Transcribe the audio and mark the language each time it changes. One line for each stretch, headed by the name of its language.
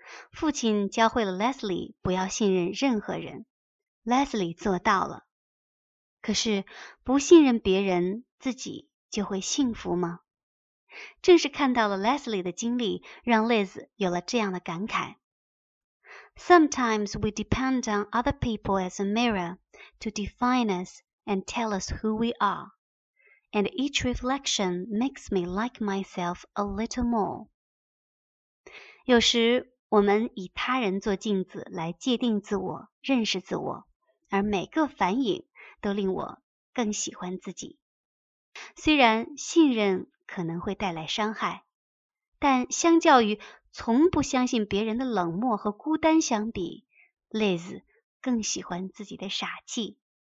Chinese: 父亲教会了 Leslie 不要信任任何人， Leslie 做到了。可是不信任别人，自己就会幸福吗？正是看到了 Leslie 的经历，让 Liz 有了这样的感慨。
English: Sometimes we depend on other people as a mirror to define us and tell us who we are. And each reflection makes me like myself a little more.
Chinese: 有时我们以他人做镜子来界定自我，认识自我，而每个反影都令我更喜欢自己。虽然信任可能会带来伤害，但相较于从不相信别人的冷漠和孤单相比， Liz 更喜欢自己的傻气。